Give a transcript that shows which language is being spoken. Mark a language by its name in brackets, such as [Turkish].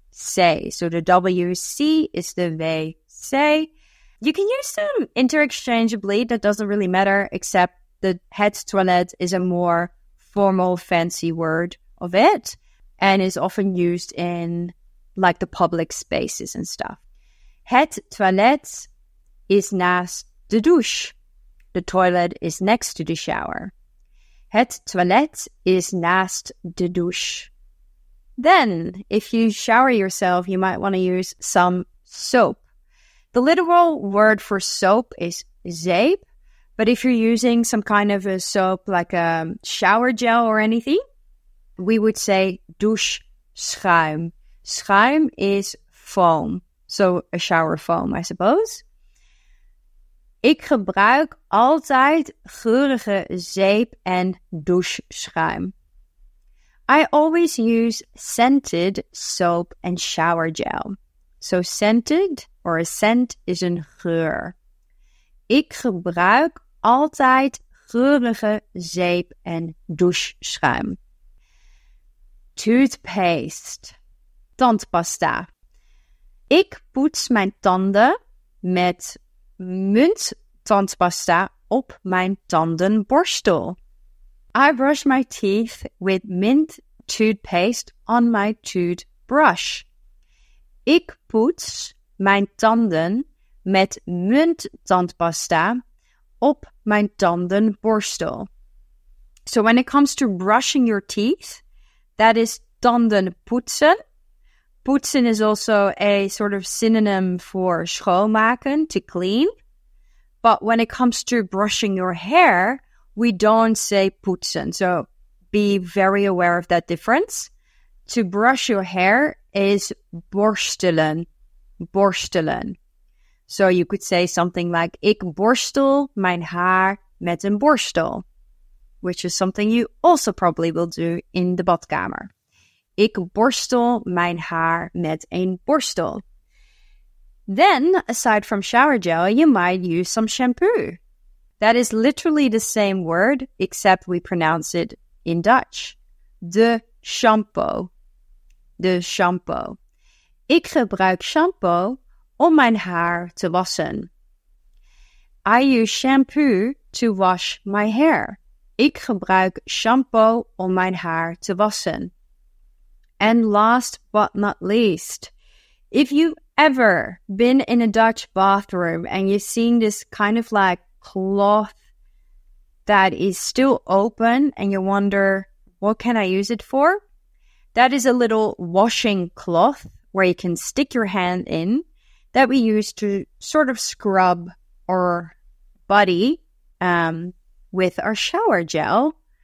[English] So the wc is the wc. You can use them interchangeably. That doesn't really matter, except the het toilet is a more formal fancy word of it and is often used in like the public spaces and stuff. [Dutch] Het toilet is naast de douche. [English] The toilet is next to the shower. [Dutch] Het toilet is naast de douche. [English] Then, if you shower yourself, you might want to use some soap. The literal word for soap is zeep. But if you're using some kind of a soap, like a shower gel or anything, we would say douche schuim. Schuim is foam. So a shower foam, I suppose. [Dutch] Ik gebruik altijd geurige zeep en douche schuim. [English] I always use scented soap and shower gel. So scented, or a scent, is een geur. [Dutch] Ik gebruik altijd geurige zeep en doucheschuim. Toothpaste. Tandpasta. Ik poets mijn tanden met munt tandpasta op mijn tandenborstel. [English] I brush my teeth with mint toothpaste on my toothbrush. [Dutch] Ik poets mijn tanden met munt tandpasta op mijn tandenborstel. [English] So when it comes to brushing your teeth, that is tandenpoetsen. Poetsen is also a sort of synonym for schoonmaken, to clean. But when it comes to brushing your hair, we don't say poetsen. So be very aware of that difference. To brush your hair is borstelen, borstelen. So you could say something like, [Dutch] ik borstel mijn haar met een borstel, [English] which is something you also probably will do in the badkamer. [Dutch] Ik borstel mijn haar met een borstel. [English] Then, aside from shower gel, you might use some shampoo. That is literally the same word, except we pronounce it in Dutch. [Dutch] De shampoo. De shampoo. Ik gebruik shampoo om mijn haar te wassen. [English] I use shampoo to wash my hair. [Dutch] Ik gebruik shampoo om mijn haar te wassen. [English] And last but not least, if you've ever been in a Dutch bathroom and you've seen this kind of like cloth that is still open and you wonder, what can I use it for? That is a little washing cloth where you can stick your hand in that we use to sort of scrub our body with our shower gel.